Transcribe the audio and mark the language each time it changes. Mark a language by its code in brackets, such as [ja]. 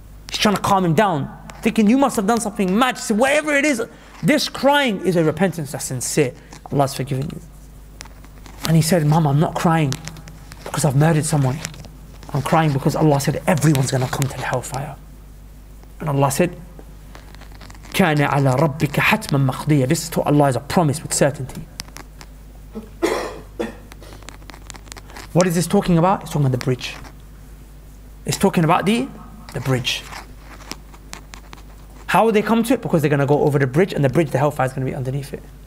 [en] He's trying to calm him down, thinking you must have done something mad. She said, whatever it is, this crying is a repentance that's sincere. Allah has forgiven you. And he said, mom, I'm not crying because I've murdered someone. I'm crying because Allah said, everyone's going to come to the hellfire. And Allah said, [ar] كَانَ عَلَى رَبِّكَ حَتْمًا مَقْضِيًّا. [en] This is to Allah is a promise with certainty. What is this talking about? It's talking about the bridge. It's talking about the bridge. How will they come to it? Because they're going to go over the bridge, and the bridge, the hellfire is going to be underneath it.